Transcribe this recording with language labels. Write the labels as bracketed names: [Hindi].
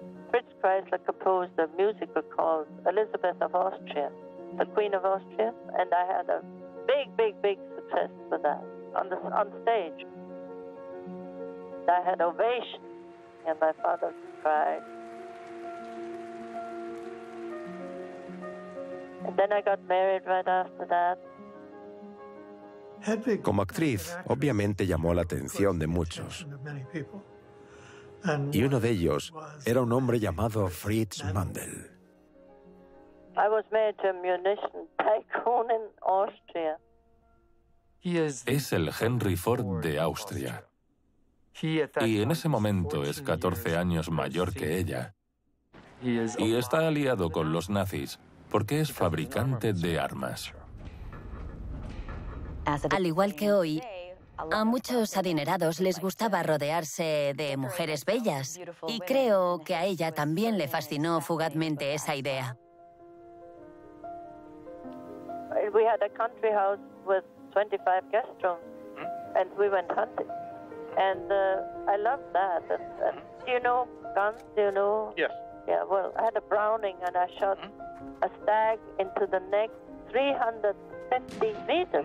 [English] Fritz Kreisler composed a musical called Elizabeth of Austria, the Queen of Austria, and I had a big, big, big success with that on stage. I had ovation, and my father cried. And then I got married right after that. [Spanish] Como actriz, obviamente llamó la atención de muchos. Y uno de ellos era un hombre llamado Fritz Mandl. Es el Henry Ford de Austria. Y en ese momento es 14 años mayor que ella. Y está aliado con los nazis porque es fabricante de armas. Al igual que hoy, a muchos adinerados les gustaba rodearse de mujeres bellas, y creo que a ella también le fascinó fugazmente esa idea. [English] We had a country house with 25 guest rooms, and we went hunting, and I loved that. And do you know guns? Do you know? Yes. Yeah. Well, I had a Browning, and I shot a stag into the neck, 350 meters.